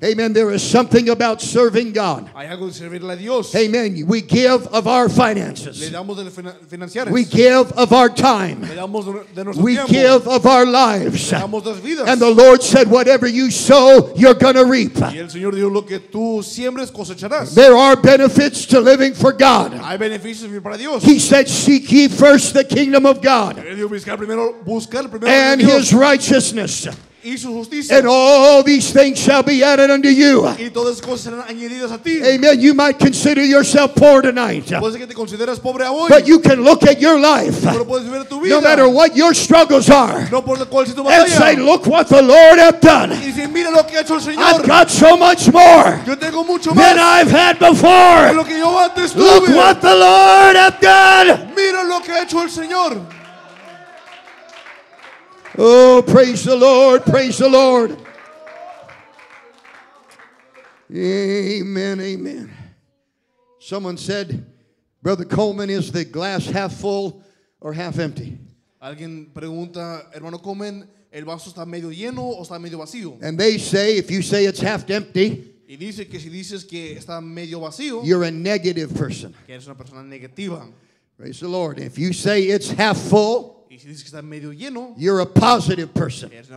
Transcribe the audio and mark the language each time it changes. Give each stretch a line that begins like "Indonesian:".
English: Amen. There is something about serving God.
Spanish: Hay algo de servirle a Dios.
English: Amen. We give of our finances.
Spanish: Le damos de financieras.
English: We give of our time.
Spanish: Le damos de nuestro
English: we
Spanish: tiempo.
English: Give of our lives.
Spanish: Le damos de vidas.
English: And the Lord said, whatever you sow, you're going to reap.
Spanish: Y el Señor dijo, lo que tú siembres cosecharás.
English: There are benefits to living for God.
Spanish: Hay beneficios para Dios.
English: He said, seek ye first the kingdom of God.
Spanish: Él dijo, buscar primero.
English: And his righteousness. And all these things shall be added unto you. Amen. You might consider yourself poor tonight, but you can look at your life, no matter what your struggles are, and say, look what the Lord hath done. I've got so much more than I've had before. Look what the Lord hath done. Oh, praise the Lord, praise the Lord. Amen, amen. Someone said, Brother Coleman, is the glass half full or half empty?
Spanish: Alguien pregunta, hermano Coleman, ¿el vaso está medio lleno o está medio vacío?
English: And they say, if you say it's half empty,
Spanish: y dice que si dices que está medio vacío,
English: you're a negative person.
Spanish: Que eres una persona negativa.
English: Praise the Lord. If you say it's half full, you're a positive person.